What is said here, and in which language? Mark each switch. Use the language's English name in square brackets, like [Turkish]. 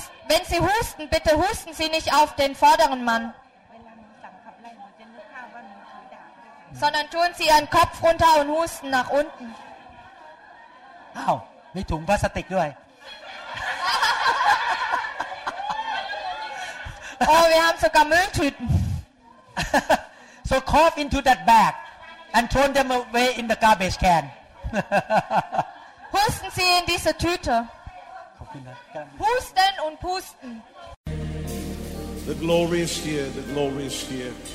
[German] Wenn Sie husten, bitte husten Sie nicht auf den vorderen Mann. Sondern tun Sie Ihren Kopf runter und husten nach unten. Au, mit [Thai] ถุงพลาสติกด้วย [German] Oh, wir haben sogar Mülltüten. [English] So cough into that bag and throw them away in the garbage can. [German] Husten Sie in diese Tüte. Husten und pusten. [English] The glory is here, the glory is here.